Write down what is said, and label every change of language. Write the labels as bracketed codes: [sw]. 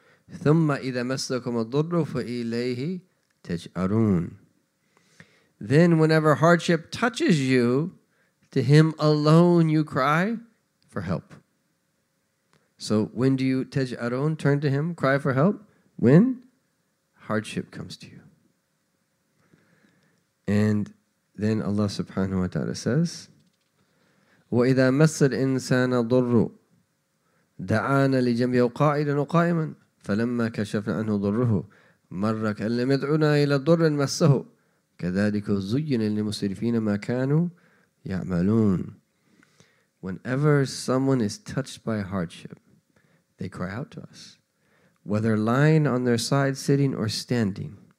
[ar] ثُمَّ إِذَا مَسَّكُمُ الضُّرُّ فَإِلَيْهِ تَجْأَرُونَ. [en] Then whenever hardship touches you, to him alone you cry for help. So when do you تَجْأَرُونَ, turn to him, cry for help? When hardship comes to you. And then Allah subhanahu wa ta'ala says, [ar] وَإِذَا مَسَّ الْإِنسَانَ ضُرُّ دَعَانَ لِجَنْبِهِ قَاعِدًا وَقَائِمًا فَلَمَّا كَشَفْنَا عَنْهُ ضُرُّهُ مَرَّ كَأَنْ لَمْ يَدْعُنَا إِلَى ضُرٍّ مَسَّهُ كَذَلِكَ زُيِّنَ لِلْمُسْرِفِينَ مَا كَانُوا يَعْمَلُونَ. [en] Whenever someone is touched by hardship, they cry out to us, whether lying on their side, sitting, or standing.